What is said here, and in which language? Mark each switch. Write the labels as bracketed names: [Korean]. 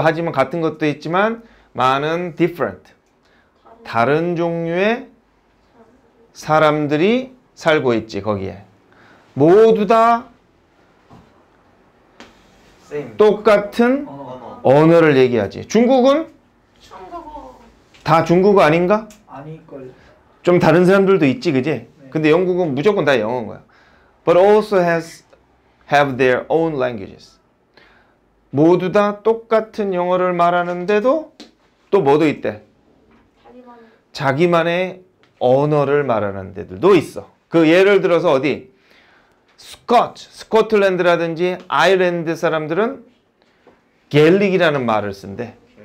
[Korean] 하지만 같은 것도 있지만 많은 different. 다른 종류의 사람들이 살고 있지, 거기에. 모두 다 [English] same. [Korean] 똑같은 언어를 얘기하지. 중국은? 중국어. 다 중국어 아닌가? 아닐걸. 좀 다른 사람들도 있지, 그지? 네. 근데 영국은 무조건 다 영어인 거야. [English] But also have their own languages. [Korean] 모두 다 똑같은 영어를 말하는데도 또 뭐도 있대? 자기만의 언어를 말하는 데들도 있어. 그 예를 들어서 어디? 스코틀랜드라든지 아일랜드 사람들은 겔릭이라는 말을 쓴대.